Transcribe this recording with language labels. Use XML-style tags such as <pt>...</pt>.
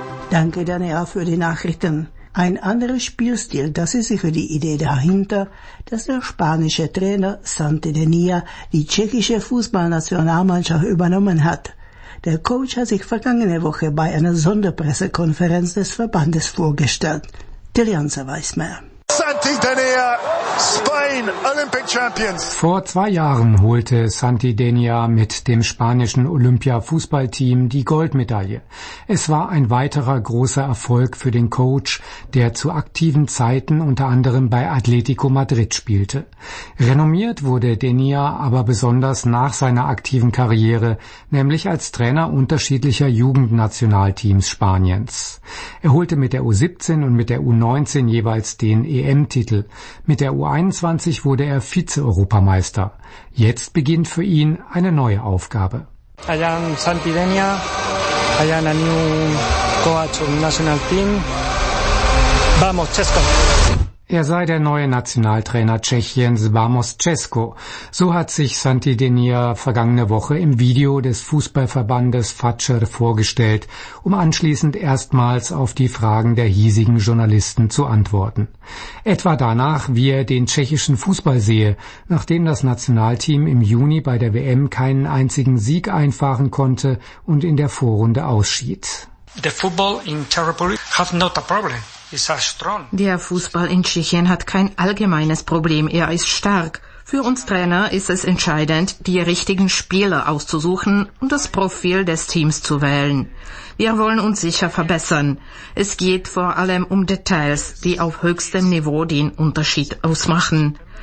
<de>Danke, Daniela, für die Nachrichten. Ein anderer Spielstil, das ist sicher die Idee dahinter, dass der spanische Trainer Santi Denia die tschechische Fußballnationalmannschaft übernommen hat. Der Coach hat sich vergangene Woche bei einer Sonderpressekonferenz des Verbandes vorgestellt. Tiljansa weiß mehr.</de> <en>Santi Denia, Spain, Olympic Champions.</en> <de>Vor 2 Jahren holte Santi Denia mit dem spanischen Olympia-Fußballteam die Goldmedaille. Es war ein weiterer großer Erfolg für den Coach, der zu aktiven Zeiten unter anderem bei Atletico Madrid spielte. Renommiert wurde Denia aber besonders nach seiner aktiven Karriere, nämlich als Trainer unterschiedlicher Jugendnationalteams Spaniens. Er holte mit der U17 und mit der U19 jeweils den EM-Titel. Mit der U21 wurde er Vize-Europameister. Jetzt beginnt für ihn eine neue Aufgabe.</de> <en>I am Santi Denia. I am a new coach of the national team.</en> <es>Vamos, Česko!</es> <de>Er sei der neue Nationaltrainer Tschechiens,</de> <es>Vamos Česko.</es> <de>So hat sich Santi Denia vergangene Woche im Video des Fußballverbandes Fatscher vorgestellt, um anschließend erstmals auf die Fragen der hiesigen Journalisten zu antworten. Etwa danach, wie er den tschechischen Fußball sehe, nachdem das Nationalteam im Juni bei der WM keinen einzigen Sieg einfahren konnte und in der Vorrunde ausschied.</de> <en>The football in Tschechien has not a problem.</en> <de>Der Fußball in Tschechien hat kein allgemeines Problem, er ist stark. Für uns Trainer ist es entscheidend, die richtigen Spieler auszusuchen und das Profil des Teams zu wählen. Wir wollen uns sicher verbessern. Es geht vor allem um Details, die auf höchstem Niveau den Unterschied ausmachen.</de>